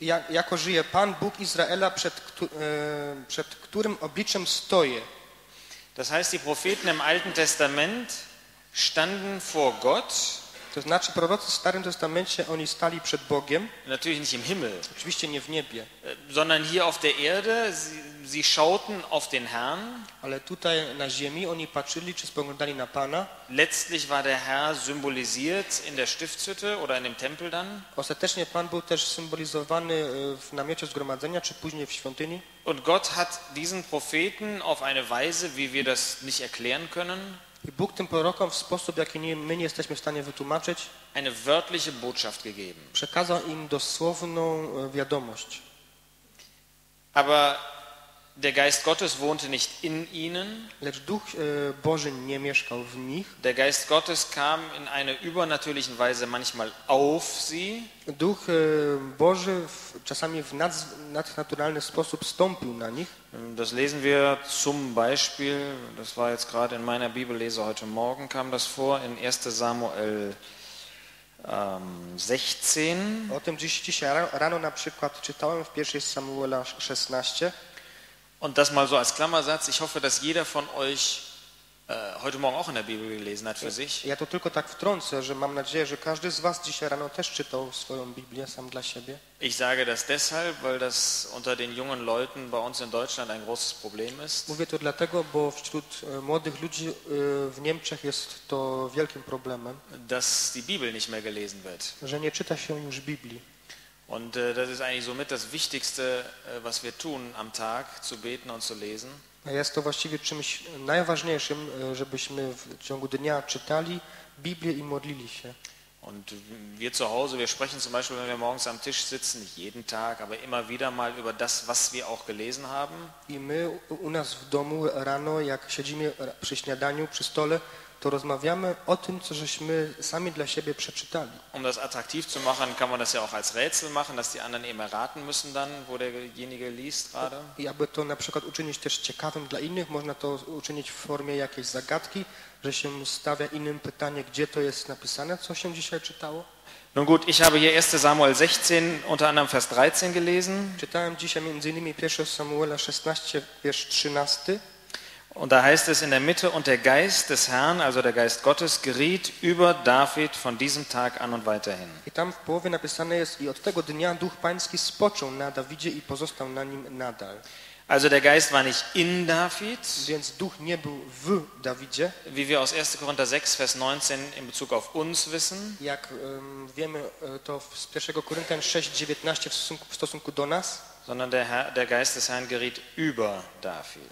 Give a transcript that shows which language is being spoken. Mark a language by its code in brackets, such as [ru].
[pl] Jako żyje Pan Bóg Izraela, przed którym obliczem stoję. [de] Das heißt, die Propheten im Alten Testament standen vor Gott. [pl] To znaczy, prorocy w Starym Testamencie, oni stali przed Bogiem. [de] Natürlich nicht im Himmel. [pl] Oczywiście nie w niebie. [de] Sondern hier auf der Erde, sie schauten auf den Herrn. [pl] Ale tutaj na ziemi, oni patrzyli, czy spoglądali na Pana. [de] Letztlich war der Herr symbolisiert in der Stiftshütte oder in dem Tempel dann. [pl] Ostatecznie Pan był też symbolizowany w namiocie zgromadzenia, czy później w świątyni. [de] Und Gott hat diesen Propheten auf eine Weise, wie wir das nicht erklären können, [pl] i Bóg tym prorokom w sposób, jaki my nie jesteśmy w stanie wytłumaczyć, [de] eine wörtliche Botschaft gegeben. [pl] Przekazał im dosłowną wiadomość. [de] Aber der Geist Gottes wohnte nicht in ihnen. [pl] Lecz Duch Boży nie mieszkał w nich. [de] Der Geist Gottes kam in einer übernatürlichen Weise manchmal auf sie. [pl] Duch Boży czasami w nadnaturalny sposób stąpił na nich. [de] Das lesen wir zum Beispiel, das war jetzt gerade in meiner Bibellese heute Morgen, kam das vor, in 1. Samuel 16. [pl] O tym dzisiaj rano na przykład czytałem w 1. Samuela 16. [de] Und das mal so als Klammersatz. Ich hoffe, dass jeder von euch heute Morgen auch in der Bibel gelesen hat für sich. [pl] Ja, to tylko tak wtrącę, że mam nadzieję, że każdy z was dzisiaj rano też czytał swoją Biblię sam dla siebie. [de] Ich sage das deshalb, weil das unter den jungen Leuten bei uns in Deutschland ein großes Problem ist. [pl] Mówię to dlatego, bo wśród młodych ludzi w Niemczech jest to wielkim problemem. [de] Dass die Bibel nicht mehr gelesen wird. [pl] Że nie czyta się już Biblii. [de] Und das ist eigentlich somit das Wichtigste, was wir tun am Tag, zu beten und zu lesen. [pl] Jest to właściwie czymś najważniejszym, żebyśmy w ciągu dnia czytali Biblię i modlili się. [de] Und wir zu Hause, wir sprechen zum Beispiel, wenn wir morgens am Tisch sitzen, nicht jeden Tag, aber immer wieder mal über das, was wir auch gelesen haben. [pl] I my u nas w domu rano, jak siedzimy przy śniadaniu, przy stole, to rozmawiamy o tym, co żeśmy sami dla siebie przeczytali. [de] Um das attraktiv zu machen, kann man das ja auch als Rätsel machen, dass die anderen eben erraten müssen dann, wo derjenige liest gerade. [pl] I aby to na przykład uczynić też ciekawym dla innych, można to uczynić w formie jakiejś zagadki, że się stawia innym pytanie, gdzie to jest napisane, co się dzisiaj czytało. [de] Nun gut, ich habe hier 1. Samuel 16, unter anderem Vers 13 gelesen. [pl] Czytałem dzisiaj m.in. 1. Samuela 16, wiersz 13. [de] Und da heißt es in der Mitte, und der Geist des Herrn, also der Geist Gottes, geriet über David von diesem Tag an und weiterhin. [pl] I tam w połowie napisane jest, i od tego dnia Duch Pański spoczął na Dawidzie i pozostał na nim nadal. [de] Also der Geist war nicht in David, [pl] więc Duch nie był w Dawidzie, [de] wie wir aus 1. Korinther 6, Vers 19 in Bezug auf uns wissen. [pl] Jak wiemy to z 1. Korinther 6, 19 w stosunku do nas. [de] Sondern der Geist des Herrn geriet über David.